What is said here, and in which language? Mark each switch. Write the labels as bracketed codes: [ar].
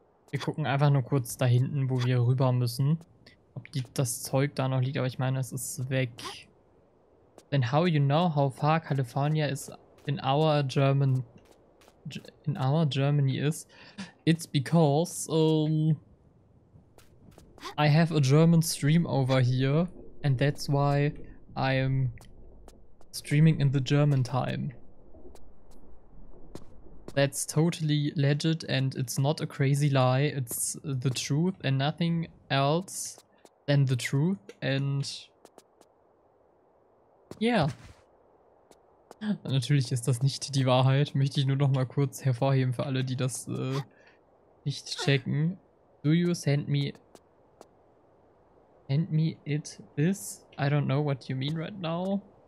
[de] Wir gucken einfach nur kurz da hinten, wo wir rüber müssen. Ob das Zeug da noch liegt, aber ich meine, es ist weg. [en] Then how you know how far California is in our German... In our Germany is? It's because... I have a German stream over here. And that's why I'm streaming in the German time. That's totally legit and it's not a crazy lie. It's the truth and nothing else than the truth. And yeah. [de] Natürlich ist das nicht die Wahrheit. Möchte ich nur noch mal kurz hervorheben für alle, die das nicht checken. [en] Do you send me it this? I don't know what you mean right now.